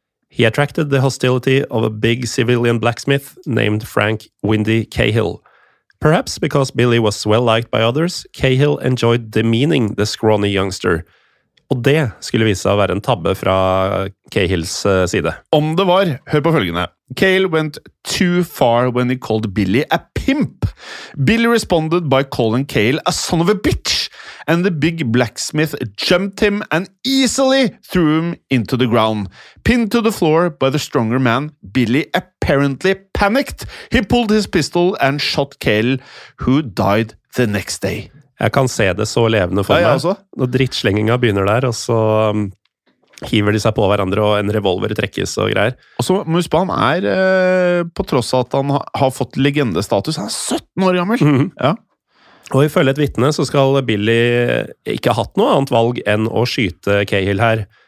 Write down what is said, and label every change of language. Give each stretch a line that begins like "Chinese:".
English: He attracted the hostility of a big civilian blacksmith named Frank Windy Cahill. Perhaps because Billy was well liked by others, Cahill enjoyed demeaning the scrawny youngster.
Norwegian: Og det skulle vise seg å være en tabbe fra Cahills side. Om det var, hør på følgende.
English: Cahill went too far when he called Billy a pimp. Billy responded by calling Cahill a son of a bitch, and the big blacksmith jumped him and easily threw him into the ground. Pinned to the floor by the stronger man, Billy apparently panicked. He pulled his pistol and shot Cahill, who died the next day.
Norwegian: Jeg kan se det så levende for meg. Når drittslengingen begynner der, og så... hiver de seg på hverandre, og en revolver trekkes og greier. Og så må du spørre, han er, på tross av at han har fått legendestatus, han 17 år gammel. Mm-hmm. Ja. Og ifølge et vittne, så skal Billy ikke ha hatt noe annet valg enn å skyte Cahill her.